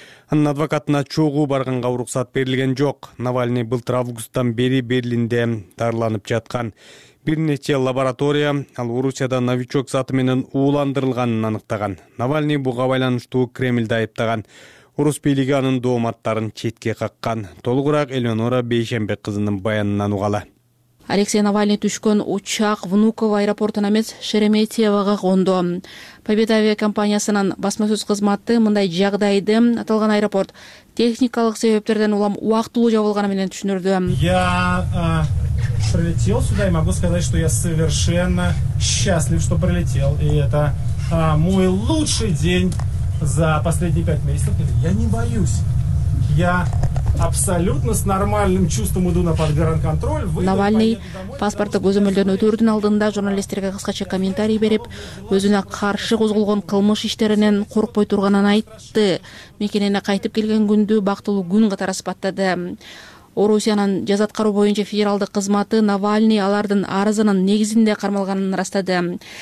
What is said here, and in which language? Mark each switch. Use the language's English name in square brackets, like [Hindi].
[Kyrgyz] Анын адвокатына чогуу барганга уруксат берилген жок. Навальный былтыр августтан бери Берлинде дарыланып жаткан. Бир нече лаборатория ал Орусияда новичок заты менен ууландырылганын аныктаган. Навальный буга байланыштуу Кремлди айыптаган. Орус бийлиги анын дооматтарын четке каккан. Толугураак Элеонора Бейшенбек кызынын баянынан угалы. Алексей Навальный түшкөн учак Внуково аэропортуна эмес Шереметьевага кондо. Победа авиакомпаниясынын басмасөз кызматы мындай жагдайды аталган аэропорт техникалык себептерден улам убактылуу жабылганы менен түшүндүрдү. [Russian] Прилетел сюда и могу сказать, что я совершенно счастлив, что прилетел. И это мой лучший день за последние 5 месяцев. Я не боюсь. Я абсолютно с нормальным чувством иду на подгранконтроль. [Kyrgyz] Навальный паспорту көзөмөлдөн өтөрдүн алдында журналисттерге кыскача комментарий берип, өзүнө каршы козголгон кылмыш иштеринен коркпой турганын айтты. Мекенине кайтып келген күндү бактылуу күн катары сыпаттады. Орусиянын жаза аткаруу боюнча федералдык кызматы Навальный алардын арызынын негизинде кармалганын ырастады.